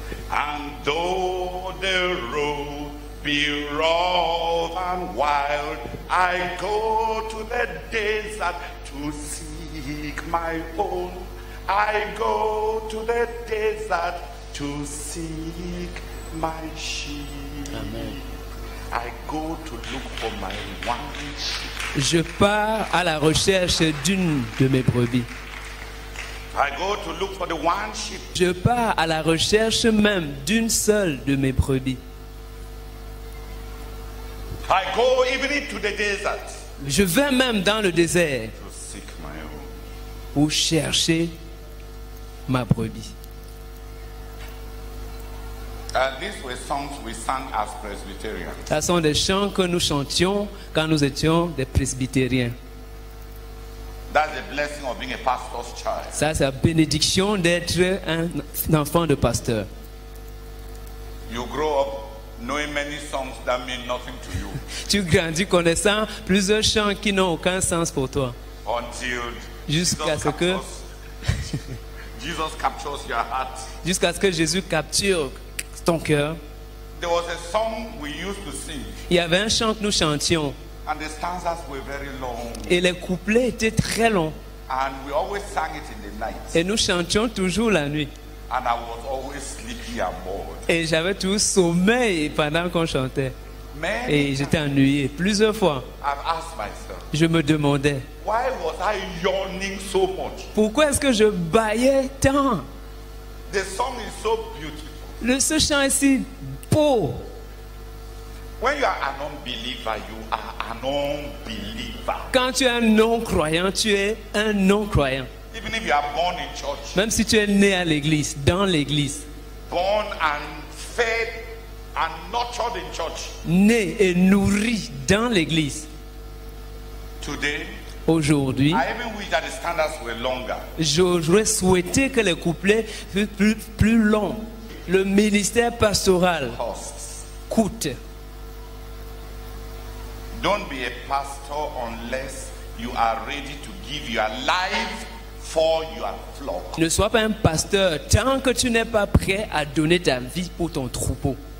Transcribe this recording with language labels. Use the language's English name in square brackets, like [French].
[English] And though the road be rough and wild, I go to the desert to seek my own. I go to the desert to seek my sheep. Amen. I go to look for my one sheep. [French] Je pars à la recherche d'une de mes brebis. [English] I go to look for the one sheep. [French] Je pars à la recherche même d'une seule de mes brebis. [English] I go even to the desert. [French] Je vais même dans le désert [English] to seek my own. [French] Pour chercher ma brebis. [English] These were songs we sang as Presbyterians. [French] Ce sont des chants que nous chantions quand nous étions des presbytériens. [English] That's the blessing of being a pastor's child. [French] Ça, c'est la bénédiction d'être un enfant de pasteur. [English] You grow up knowing many songs that mean nothing to you. [French] Tu grandis connaissant plusieurs chants qui n'ont aucun sens pour toi. [English] Until [French] jusqu'à ce que [English] Jesus captures your heart. [French] Jusqu'à ce que Jésus capture ton cœur. [English] There was a song we used to sing. [French] Il y avait un chant que nous chantions. [English] And the stanzas were very long. [French] Et les couplets étaient très longs. [English] And we always sang it in the night. [French] Et nous chantions toujours la nuit. [English] And I was always sleepy and bored. [French] Et j'avais toujours sommeil pendant qu'on chantait. [English] Many [French] et j'étais ennuyé plusieurs fois. [English] I've asked myself, [French] je me demandais, [English] why was I yawning so much? [French] Pourquoi est-ce que je bâillais tant? [English] The song is so beautiful. [French] Ce chant est si beau. [English] When you are an unbeliever, you are an unbeliever. [French] Quand tu es un non-croyant, tu es un non-croyant. [English] Even if you are born in church, [French] même si tu es né à l'église, dans l'église. [English] Born and fed and nurtured in church. [French] Né et nourri dans l'église. [English] Today, [French] aujourd'hui, [English] I even wish that the standards were longer. [French] J'aurais souhaité que les couplets fussent plus longs. Le ministère pastoral coûte. [English] Don't be a pastor unless you are ready to give your life for your flock. [French] Ne sois pas un pasteur tant que tu n'es pas prêt à donner ta vie pour ton troupeau.